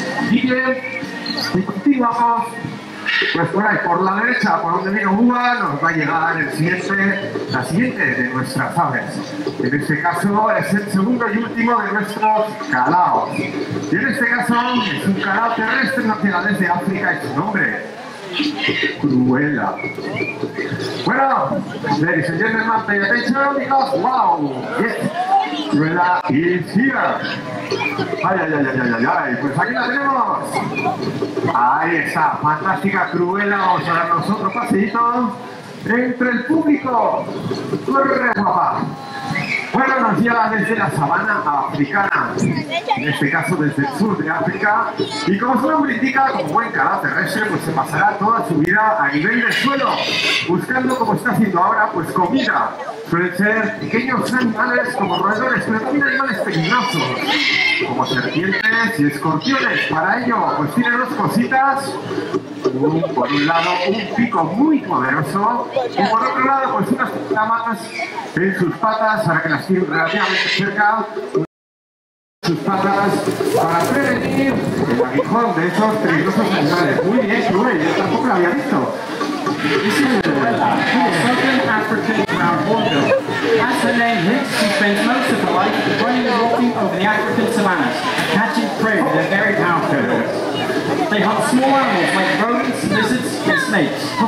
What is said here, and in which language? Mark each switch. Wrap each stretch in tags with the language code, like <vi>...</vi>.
<es>Miguel, continuamos. Pues por ahí, por la derecha, por donde viene Uva, nos va a llegar el siguiente, la siguiente de nuestras aves. En este caso es el segundo y último de nuestros calaos. Y en este caso es un calao terrestre nacional desde África y su nombre, Cruella. Bueno,</es> <en>ladies and gentlemen, pay attention because wow, yes, Cruella is here.</en> <es>Ay, ay, ay, ay, ay, ay, ay, pues aquí la tenemos. Ahí está, fantástica Cruella. Vamos a darnos otro paseíto entre el público. ¡Corre, papá! Bueno, nos lleva desde la sabana africana, en este caso desde el sur de África, y como su nombre indica, con buen calado terrestre, pues se pasará toda su vida a nivel del suelo, buscando, como está haciendo ahora, pues comida. Suelen ser pequeños animales como roedores, pero también animales peligrosos, como serpientes y escorpiones. Para ello, pues tiene dos cositas. Por un lado, un pico muy poderoso, y por otro lado, pues unas escamas en sus patas, para que las tienen relativamente cerca, sus patas, para prevenir el aguijón de esos peligrosos animales. Muy bien, Cruel, yo tampoco lo había visto.</es> <en>This is Cruella, who is a Southern African brown warbler. As her name hints, she spends most of her life running and walking over the African savannas, catching prey with their very powerful bills. They hunt small animals like rodents, lizards, and snakes.</en>